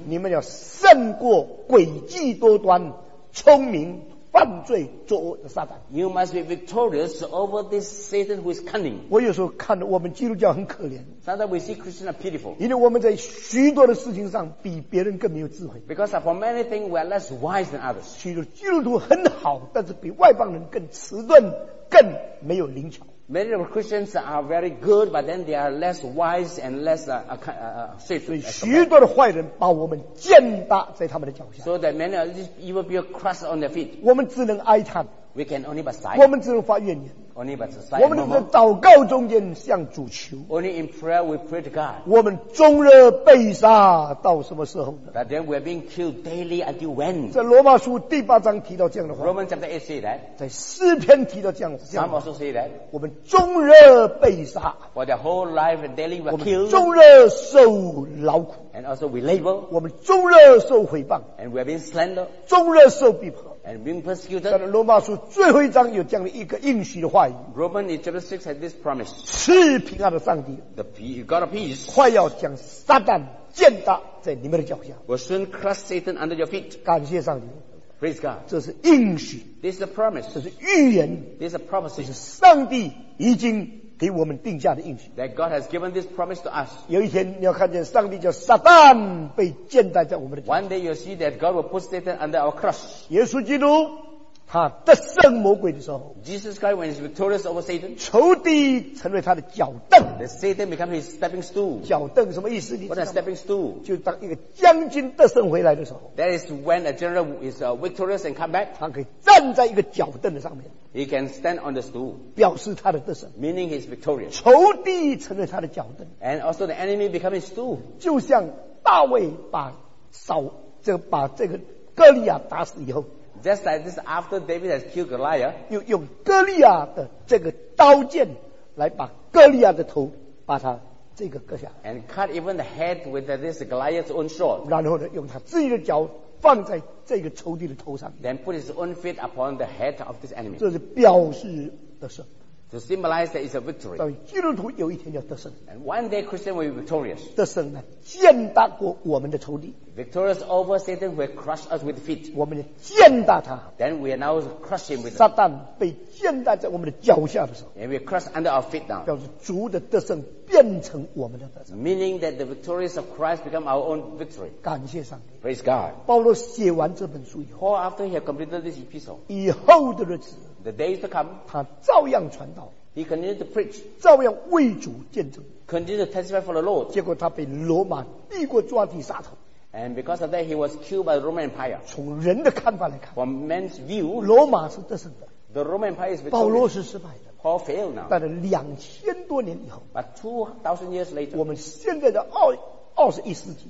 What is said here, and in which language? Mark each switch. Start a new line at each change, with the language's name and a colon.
Chinese: 你们要胜过诡计多端、聪明犯罪作恶的撒旦。
English: You must be victorious over this Satan who is cunning。
Chinese: 我有时候看我们基督教很可怜。
English: Sometimes we see Christians are pitiful。
Chinese: 因为我们在许多的事情上比别人更没有智慧。
English: Because for many things we are less wise than others。
Chinese: 许多基督徒很好，但是比外邦人更迟钝，更没有灵巧。
English: Many of Christians are very good, but then they are less wise and less safe.
Chinese: 许多的坏人把我们践踏在他们的脚下。
English: So that many of these evil people crush on their feet.
Chinese: 我们只能哀叹。
English: We can only but sigh.
Chinese: 我们只能发怨言。
English: Only but sigh.
Chinese: 我们只能祷告中间向主求。
English: Only in prayer we pray to God.
Chinese: 我们终日被杀到什么时候呢
English: ？But then we are being killed daily until when?
Chinese: 在罗马书第八章提到这样的话。
English: Romans chapter 8 say that.
Chinese: 在诗篇提到这样子。
English: Psalm also say that.
Chinese: 我们终日被杀。
English: For their whole life and daily we are killed.
Chinese: 我们终日受劳苦。
English: And also we labor.
Chinese: 我们终日受毁谤。
English: And we are being slander.
Chinese: 终日受逼迫。
English: And being persecuted.
Chinese: 但是罗马书最后一章有这样的一个应许的话语。
English: Romans in chapter 6 had this promise.
Chinese: 赐平安的上帝。
English: The God of peace.
Chinese: 快要将撒旦践踏在你们的脚下。
English: Will soon crush Satan under your feet.
Chinese: 感谢上帝。
English: Praise God.
Chinese: 这是应许。
English: This is a promise.
Chinese: 这是预言。
English: This is a prophecy.
Chinese: 这是上帝已经给我们定下的应许。
English: That God has given this promise to us.
Chinese: 有一天你要看见上帝叫撒旦被践踏在我们的脚下。
English: One day you'll see that God will put Satan under our cross.
Chinese: 耶稣基督他得胜魔鬼的时候
English: ，Jesus Christ when he's victorious over Satan，
Chinese: 仇敌成为他的脚凳
English: ，the Satan become his stepping stool。
Chinese: 脚凳什么意思？你知道吗
English: ？What a stepping stool？
Chinese: 就当一个将军得胜回来的时候
English: ，that is when a general is victorious and come back，
Chinese: 他可以站在一个脚凳的上面
English: ，he can stand on the stool，
Chinese: 表示他的得胜
English: ，meaning he's victorious。
Chinese: 仇敌成为他的脚凳
English: ，and also the enemy become his stool。
Chinese: 就像大卫把扫这个把这个哥利亚打死以后。
English: Just like this, after David has killed Goliath,
Chinese: 又用哥利亚的这个刀剑来把哥利亚的头把它这个割下
English: ，and cut even the head with this Goliath's own sword.
Chinese: 然后呢，用他自己的脚放在这个仇敌的头上
English: ，then put his own feet upon the head of this enemy.
Chinese: 这是表示的胜。
English: To symbolize that it's a victory.
Chinese: 所以基督徒有一天要得胜。
English: And one day Christian will be victorious.
Chinese: 得胜呢，践踏过我们的仇敌。
English: Victorious over Satan will crush us with feet.
Chinese: 我们践踏他。
English: Then we are now crushing with.
Chinese: 撒旦被践踏在我们的脚下的时候。
English: And we crush under our feet now.
Chinese: 表示主的得胜变成我们的得胜。
English: Meaning that the victorious of Christ become our own victory.
Chinese: 感谢上帝。
English: Praise God.
Chinese: 保罗写完这本书以后
English: ，Paul after he had completed this epistle.
Chinese: 以后的日子。
English: The days to come,
Chinese: 他照样传道
English: he continued to preach,
Chinese: 照样为主见证
English: continued to testify for the Lord,
Chinese: 结果他被罗马帝国抓去杀头
English: and because of that he was killed by the Roman Empire,
Chinese: 从人的看法来看
English: from man's view,
Chinese: 罗马是得胜的
English: the Roman Empire is victorious,
Chinese: 保罗是失败的
English: Paul failed now,
Chinese: 但是两千多年以后
English: but 2000 years later,
Chinese: 我们现在的
English: 21st century.